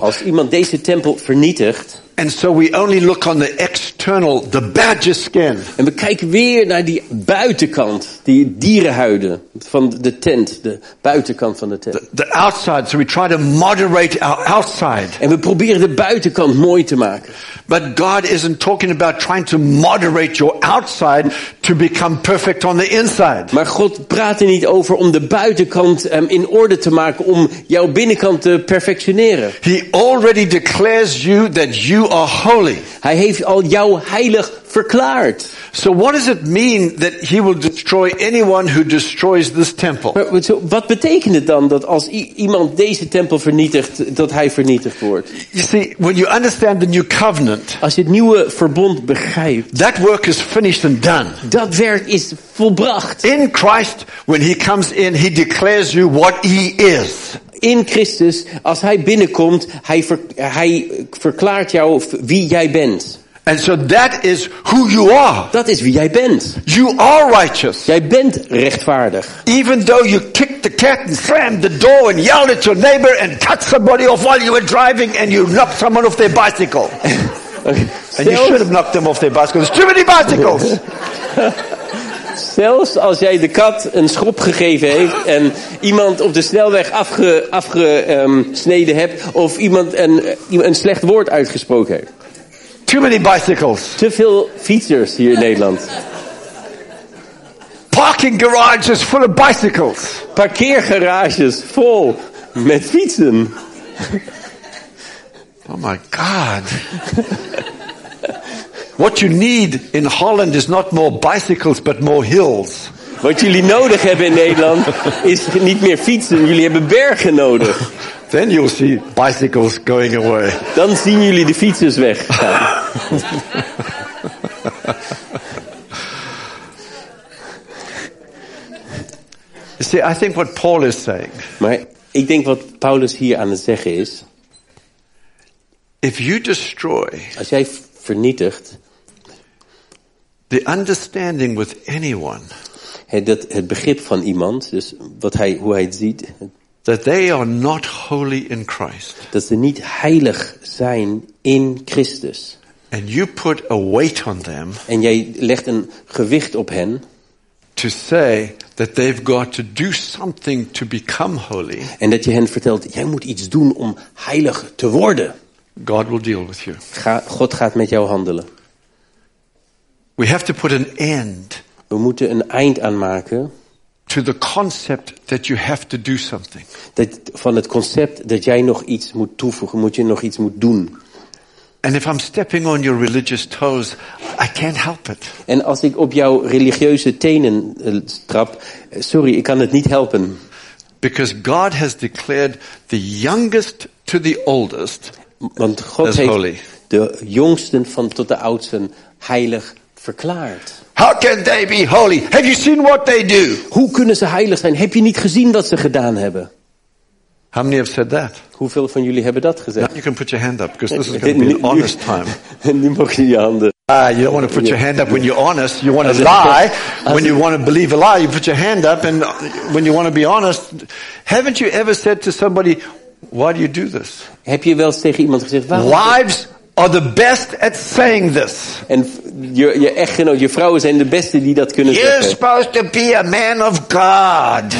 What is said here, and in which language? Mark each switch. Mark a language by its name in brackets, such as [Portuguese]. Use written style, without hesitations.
[Dutch] als iemand deze tempel vernietigt, [English] and so we only look on the external, the badger skin. [Dutch] En we kijken weer naar die buitenkant, die dierenhuiden van de tent, de buitenkant van de tent. [English] The outside, so we try to moderate our outside. [Dutch] En we proberen de buitenkant mooi te maken. [English] But God isn't talking about trying to moderate your outside to become perfect on the inside. [Dutch] Maar God praat er niet over om de buitenkant in orde te maken om jouw binnenkant te perfectioneren. [English] He already declares you that you are holy. [Dutch] Hij heeft al jou heilig verklaard. [English] So what does it mean that he will destroy anyone who destroys this temple? [Dutch] Wat betekent het dan dat als iemand deze tempel vernietigt, dat hij vernietigd wordt? [English] You see, when you understand the new covenant, [Dutch] als je het nieuwe verbond begrijpt, [English] that work is finished and done. [Dutch] Dat werk is volbracht. [English] In Christ, when he comes in, he declares you what he is. [Dutch] In Christus, als hij binnenkomt, hij verklaart jou wie jij bent. [English] And so that is who you are. [Dutch] Dat is wie jij bent. [English] You are righteous. [Dutch] Jij bent rechtvaardig. [English] Even though you kicked the cat and slammed the door and yelled at your neighbor and cut somebody off while you were driving and you knocked someone off their bicycle. Okay. And you should have knocked them off their bicycle. There's too many bicycles. [Dutch] Zelfs als jij de kat een schop gegeven heeft en iemand op de snelweg afgesneden hebt of iemand een slecht woord uitgesproken heeft. [English] Too many bicycles. [Dutch] Te veel fietsers hier in Nederland. [English] Parking garages full of bicycles. [Dutch] Parkeergarages vol met fietsen. [English] Oh my God. What you need in Holland is not more bicycles, but more hills. [Dutch] Wat jullie nodig hebben in Nederland is niet meer fietsen. Jullie hebben bergen nodig. [English] Then you'll see bicycles going away. [Dutch] Dan zien jullie de fietsers weg. [English] You see, I think what Paul is saying. [Dutch] Maar ik denk wat Paulus hier aan het zeggen is. [English] If you destroy. [Dutch] Als jij vernietigt. [English] The understanding with anyone. [Dutch] Het begrip van iemand, dus hoe hij het ziet. [English] That they are not holy in Christ. [Dutch] Dat ze niet heilig zijn in Christus. [English] And you put a weight on them. [Dutch] En jij legt een gewicht op hen. [English] To say that they've got to do something to become holy. [Dutch] En dat je hen vertelt, jij moet iets doen om heilig te worden. [English] God will deal with you. [Dutch] God gaat met jou handelen. [English] We have to put an end. [Dutch] We moeten een eind aanmaken. [English] To the concept that you have to do something. [Dutch] Dat van het concept dat jij nog iets moet toevoegen, moet je nog iets moet doen. [English] And if I'm stepping on your religious toes, I can't help it. [Dutch] En als ik op jouw religieuze tenen trap, sorry, ik kan het niet helpen. [English] Because God has declared the youngest to the oldest. [Dutch] Want God [English] as [Dutch] heeft [English] holy. [Dutch] De jongsten van tot de oudsten heilig verklaard. [English] How can they be holy? Have you seen what they do? [Dutch] Hoe kunnen ze heilig zijn? Heb je niet gezien wat ze gedaan hebben? [English] How many have said that? [Dutch] Hoeveel van jullie hebben dat gezegd? [English] Now you can put your hand up because this is going to be an honest time. [Dutch] En nu mag je je handen. [English] You don't want to put your hand up when you're honest. You want to lie when you want to believe a lie. You put your hand up and when you want to be honest, haven't you ever said to somebody, why do you do this? [Dutch] Heb je wel eens tegen iemand gezegd waarom? [English] Wives are the best at saying this. [Dutch] En je echtgenoot, je vrouwen zijn de beste die dat kunnen [English] You're [Dutch] zeggen. [English] Supposed to be a man of God.